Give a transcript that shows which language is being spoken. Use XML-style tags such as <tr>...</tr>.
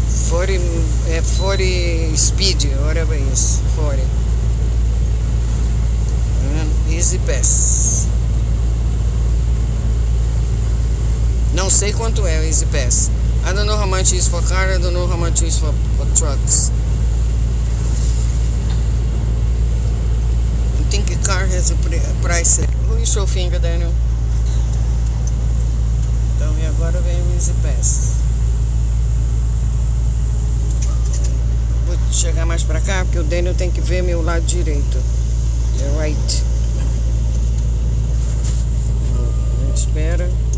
<pt>40, 40 speed, olha bem isso. 40.</pt> <en>Easy Pass.</en> <pt>Não sei quanto é o Easy Pass.</pt> <en>I don't know how much it is for car, I don't know how much it is for trucks. Think car has a price. Who is your finger, Daniel?</en> <pt>Então, e agora vem o Easy Pass. Vou chegar mais pra cá, porque o Daniel tem que ver meu lado direito.</pt> <en>The right.</en> <pt>Espera.</pt>